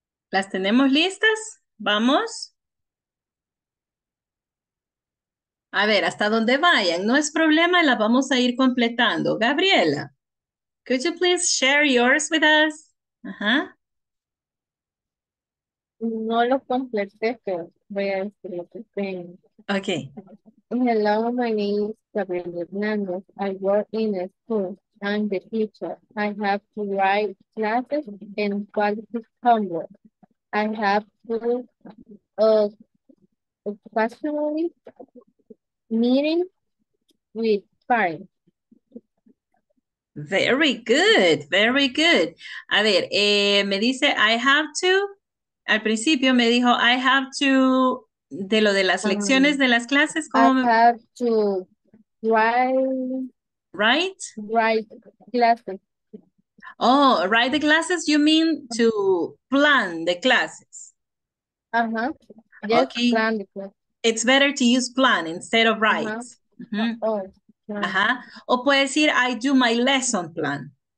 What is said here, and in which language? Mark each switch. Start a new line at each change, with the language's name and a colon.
Spanish: ¿Las tenemos listas? ¿Vamos? A ver, hasta donde vayan. No es problema, las vamos a ir completando.
English: Gabriela, could you please share yours with us?
Spanish: No lo completé, pero voy a decir lo que tengo.
English: Okay. Hello, my name is Gabriela Hernández. I work in a school. I'm the teacher. I have to write classes and quality homework. I have to occasionally meeting with parents. Very good, very good.
Spanish: A ver, me dice,
English: I have to,
Spanish: al principio me dijo, I have to, de lo de las lecciones de las clases, ¿cómo?
English: I have to write classes. Oh, write the classes, you mean to plan the classes. Uh-huh. Yes, okay. Plan the classes. It's better to use plan instead of write. Uh-huh. Mm-hmm. Oh. Ajá.
Spanish: O puede decir,
English: I do my lesson plan.